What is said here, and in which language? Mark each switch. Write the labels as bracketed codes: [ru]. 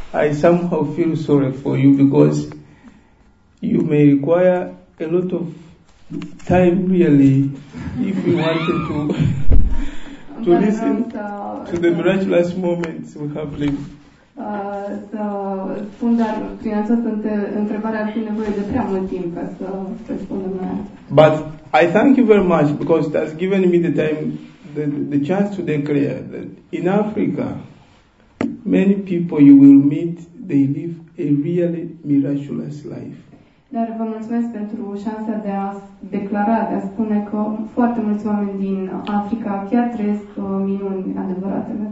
[en] I somehow feel sorry for you because you may require a lot of time really if you wanted to to listen to the miraculous moments we have lived. [ro] Să spun, dar prin această întrebare ar fi nevoie de prea mult timp ca să răspundem la ea. [en] But I thank you very much because it has given me the time, the chance to declare that in Africa, many people you will meet, they live a really miraculous life. [ro] Dar vă mulțumesc pentru șansa de a declara, de a spune că foarte mulți oameni din Africa chiar trăiesc minuni adevărate.